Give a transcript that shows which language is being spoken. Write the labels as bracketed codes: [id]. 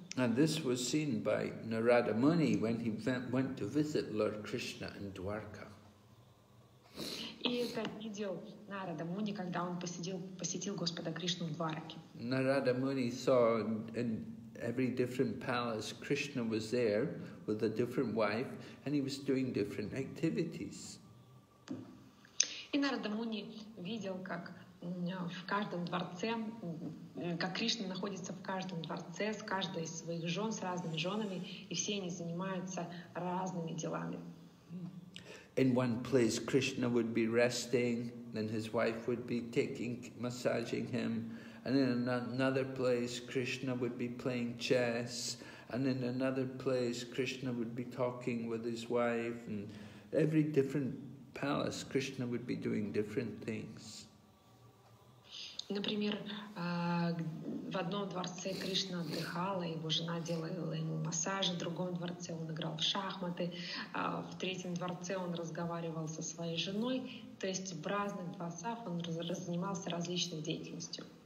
[en] And this was seen by Narada Muni when he went to visit Lord Krishna in Dwarka. [ru] И это видел Нарада Муни, когда он посетил Господа Кришну в Двараке. [en] Narada Muni saw in every different palace Krishna was there with a different wife and he was doing different activities. [ru] И Нарада Муни видел, как в каждом дворце, как Кришна находится в каждом дворце с каждой из своих жен, с разными женами, и все они занимаются разными делами. [en] In one place Krishna would be resting, then his wife would be massaging him, and in another place Krishna would be playing chess, and in another place Krishna would be talking with his wife, and every different palace Krishna would be doing different things. [ru] Например, в одном дворце Кришна отдыхала, его жена делала ему массажи, в другом дворце он играл в шахматы, в третьем дворце он разговаривал со своей женой, то есть в разных дворцах он занимался различной деятельностью.